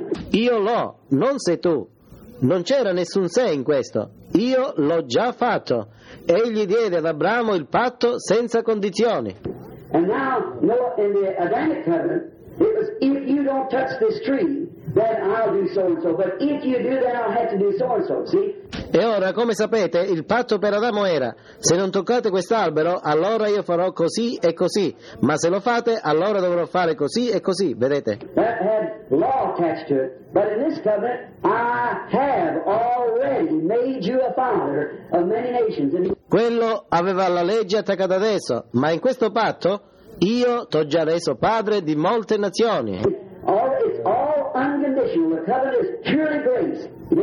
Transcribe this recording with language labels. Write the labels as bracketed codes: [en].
[it] Io l'ho, non sei tu. Non c'era nessun sé in questo. Io l'ho già fatto. Egli diede ad Abramo il patto senza condizioni. [en] And now, in the Adamic covenant, it was, if you don't touch this tree, then I'll do so and so. But if you do, then I'll have to do so and so. See? [it] E ora, come sapete, il patto per Adamo era: se non toccate quest'albero, allora io farò così e così, ma se lo fate, allora dovrò fare così e così, vedete? [en] That had law attached to it, but in this covenant I have already made you a father of many nations. [it] Quello aveva la legge attaccata adesso, ma in questo patto io t'ho già reso padre di molte nazioni. [en] It's all unconditional. The covenant is purely grace.